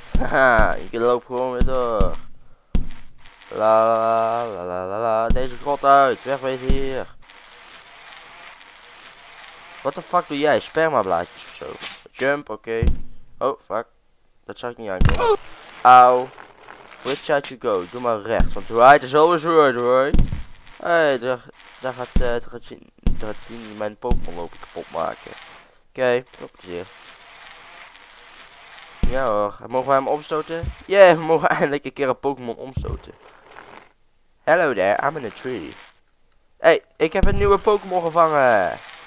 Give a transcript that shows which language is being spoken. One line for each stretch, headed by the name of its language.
Dutch: Haha, je loopt gewoon weer door. La la la la la la, deze grot uit, wegwezen hier.
English: What the fuck
Dutch: doe jij? Spermablaadjes of zo? Jump, oké. Okay. Oh, fuck. Dat zag ik niet aankomen.
English: Auw. Which side you go?
Dutch: Doe maar rechts, want
English: right is always right, right?
Dutch: Hé, hey, daar gaat die mijn Pokémon lopen kapot maken. Oké, veel plezier. Ja hoor, mogen wij hem omstoten? Yeah, we mogen eindelijk een keer een Pokémon omstoten.
English: Hello there, I'm in a tree.
Dutch: Hey, ik heb een nieuwe Pokémon gevangen.